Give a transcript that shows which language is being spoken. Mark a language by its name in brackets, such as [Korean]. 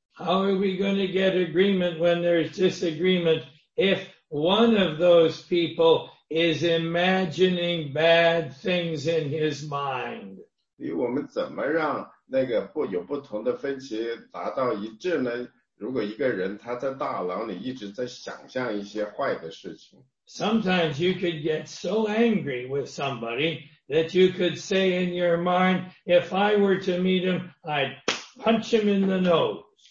[English] How are we going to get agreement when there's disagreement if one of those people is imagining bad things in his mind? [Chinese] 所以我们怎么让那个不有不同的分歧达到一致呢？如果一个人他在大脑里一直在想象一些坏的事情， [English] Sometimes you could get so angry with somebody that you could say in your mind, if I were to meet him, I'd punch him in the nose.